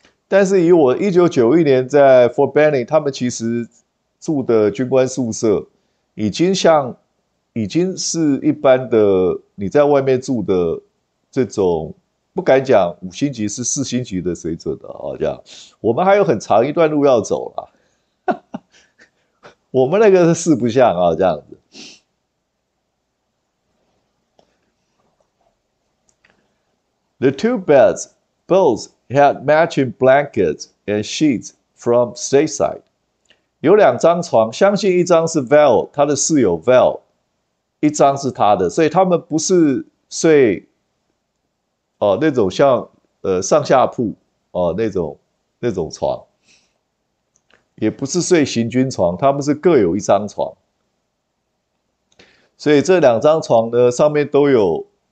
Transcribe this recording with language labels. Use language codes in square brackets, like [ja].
[zh] 但是，以我1991年在 Fort Benning，他们其实住的军官宿舍，已经是一般的你在外面住的这种。不敢讲五星级是四星级的水准的啊，这样我们还有很长一段路要走了。我们那个是四不像啊，这样子。 [en] The two beds both had matching blankets and sheets from stateside。 [zh] 有两张床，相信一张是 Val 他的室友 Val，一张是他的，所以他们不是睡哦那种像上下铺哦那种床。也不是睡行军床，他们是各有一张床，所以这两张床呢，上面都有